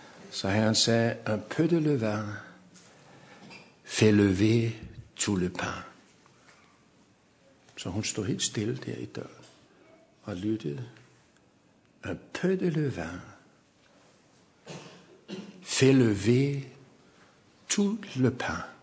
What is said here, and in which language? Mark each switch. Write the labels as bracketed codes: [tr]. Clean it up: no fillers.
[da] Så Herren sagde, [fr] un peu de levain fait lever tout le pain. [da] Så hun stod helt stille der i døren og lyttede. [fr] Un peu de levain fait lever tout le pain.